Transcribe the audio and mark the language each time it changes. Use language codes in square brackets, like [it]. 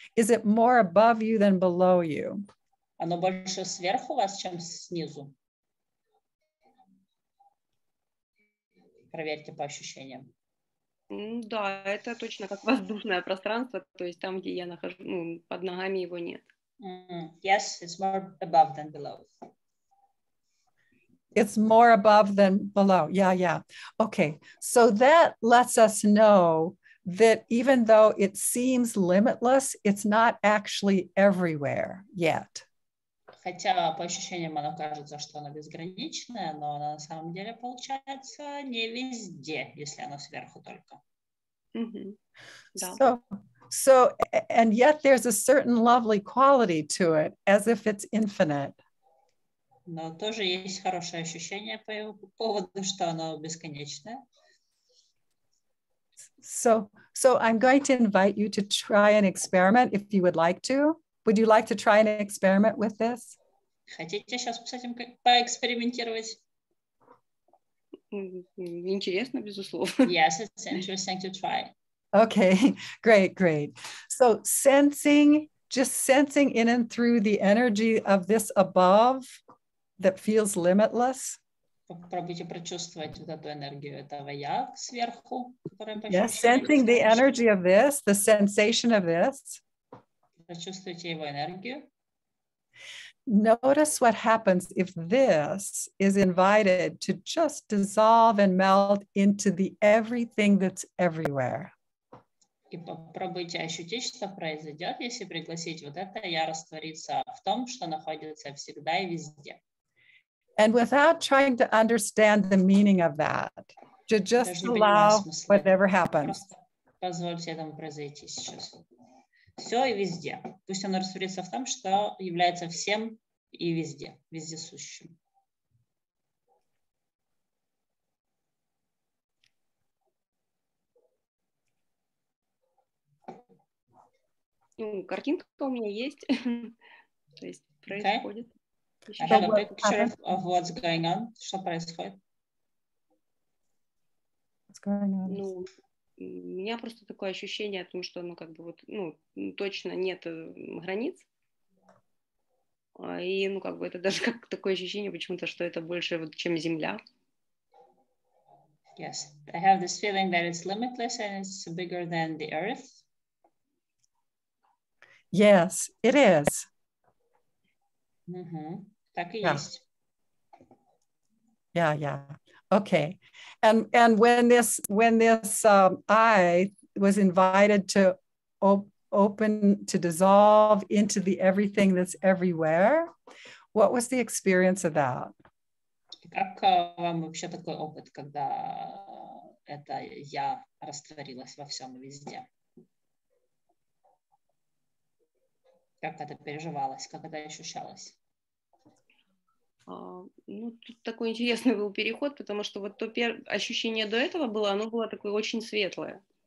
[en] Is it more above you than below you? [ru] Оно больше сверху вас, чем снизу? Проверьте по ощущениям. Да, это точно как воздушное пространство, то есть там, где я нахожусь, ну, под ногами его нет. [en] Yes, it's more above than below. It's more above than below. Yeah, yeah. Okay, so that lets us know that even though it seems limitless, it's not actually everywhere yet. [ru] Хотя по ощущениям оно кажется, что оно безграничное, но оно на самом деле получается не везде, если оно сверху только. Mm-hmm. Да. [en] So, and yet there's a certain lovely quality to it, as if it's infinite. [ru] Но тоже есть хорошее ощущение по поводу, что оно бесконечное. [en] So I'm going to invite you to try an experiment, if you would like to. Would you like to try an experiment with this? [ru] Хотите сейчас с этим поэкспериментировать? Интересно, безусловно. [en] Yes, it's interesting to try. Okay, great, great. So sensing in and through the energy of this above that feels limitless. [ru] Попробуйте прочувствовать вот эту энергию этого я сверху. [en] Yes, sensing the energy of this, the sensation of this. [ru] Прочувствуйте его энергию. [en] Notice what happens if this is invited to just dissolve and melt into the everything that's everywhere. [ru] И попробуйте ощутить, что произойдет, если пригласить вот это я раствориться в том, что находится всегда и везде. [en] And without trying to understand the meaning of that, to just allow whatever happens. [ru] Просто позвольте этому произойти сейчас. Все и везде. Пусть оно растворится в том, что является всем и везде, вездесущим. Ну, картинка у меня есть. То есть происходит. [en] Okay. I have a picture of what's going on. [ru] Что происходит? [en] What's going on? Ну, [ru] У меня просто такое ощущение о том, что ну, как бы вот, ну, точно нет границ. И ну, как бы это даже как такое ощущение почему-то, что это больше, вот, чем Земля. [en] Yes, I have this feeling that it's limitless and it's bigger than the Earth. Yes, it is. [ru] Mm-hmm. Так и [en] yeah. [ru] есть. [en] Yeah, yeah. Okay, and when this I was invited to open to dissolve into the everything that's everywhere, what was the experience of that? [ru] Как вам вообще такой опыт, когда это я растворилась во всем и везде? Как это переживалось, как это ощущалось? Ну, тут такой интересный был переход, потому что вот то ощущение до этого было, оно было такое очень светлое.